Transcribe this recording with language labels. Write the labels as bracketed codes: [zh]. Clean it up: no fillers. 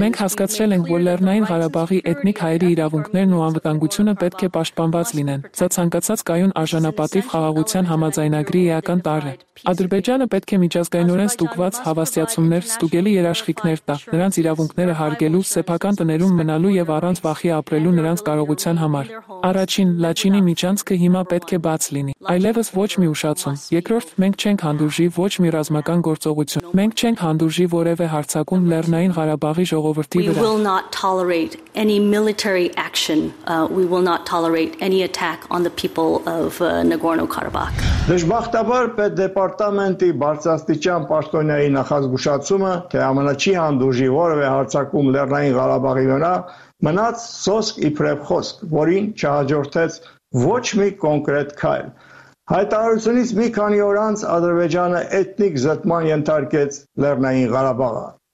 [hy] մենք հասկացրել ենք, որ Լեռնային Ղարաբաղի էթնիկ հայերի իրավունքներն ու անվտանգությունը պետք է պաշտպանված լինեն։ Սա ցանկացած կայուն արժանապատիվ խաղաղության համաձայնագրի էական տարր է։ Ադրբեջանը պետք է միջազգայնորեն ստուգված հավաստիացումներ ստուգելի երաշխիքներ տա, նրանց իրավունքները հարգելու, սեփական տներում մնալու և առանց վախի ապրելու նրանց կարողության համար։ Առաջին, Լաչինի միջանցքը հիմա պետք է բաց լինի, այլևս ոչ մի ուշացում։ Երկրորդ, մենք չենք հանդուրժի ոչ մի ռազմական գործողություն։ Մենք չենք հանդուրժի որևէ հարձակում Լեռնային Ղարաբաղի ժողովրդի վրա։ [en] We will not tolerate any military action. We will not tolerate any attack on the people of Nagorno-Karabakh. [hy] Դժբախտաբար պետ դեպարտամենտի բարձրաստիճան պաշտոնյայի նախազգուշացումը, թե ԱՄՆ չի հանդուրժի որևէ հարձակում Լեռնային Ղարաբաղի վրա, մնաց սոսկ իբրև խոսք, որին չհաջորդեց ոչ մի կոնկրետ քայլ։ Հայտարարությունից մի քանի օր անց Ադրբեջանը էթնիկ զտման ենթարկեց Լեռնային Ղարաբաղը։